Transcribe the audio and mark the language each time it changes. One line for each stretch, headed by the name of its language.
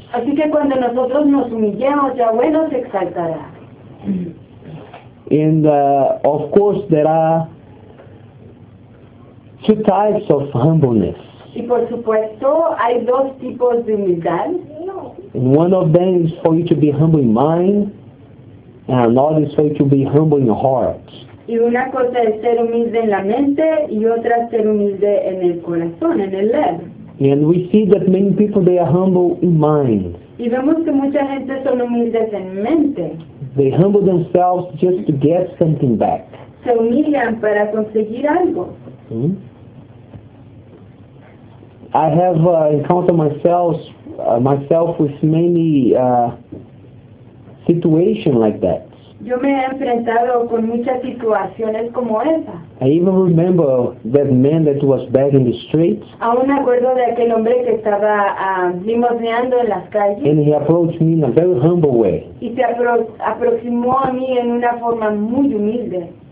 Spanish: Así que cuando nosotros nos humillemos, Yahweh nos exaltará.
English: And of course there are two types of humbleness.
Spanish: Y por supuesto hay dos tipos de humildad.
English: And one of them is for you to be humble in mind, and another is for you to be humble in heart.
Spanish: Y una cosa es ser humilde en la mente y otra es ser humilde en el corazón, en el ser.
English: And we see that many people, they are humble in mind.
Spanish: Y vemos que mucha gente son humildes en mente.
English: They humble themselves just to get something back.
Spanish: Se humillan para conseguir algo.
English: I have encountered myself with many situations like that.
Spanish: Yo me he enfrentado con muchas situaciones como esa.
English: I even remember that man that was begging the streets.
Spanish: Aún acuerdo de aquel hombre que estaba limosneando en las calles.
English: And he approached me in a very humble way.
Spanish: Y se aproximó a mí en una forma muy humilde.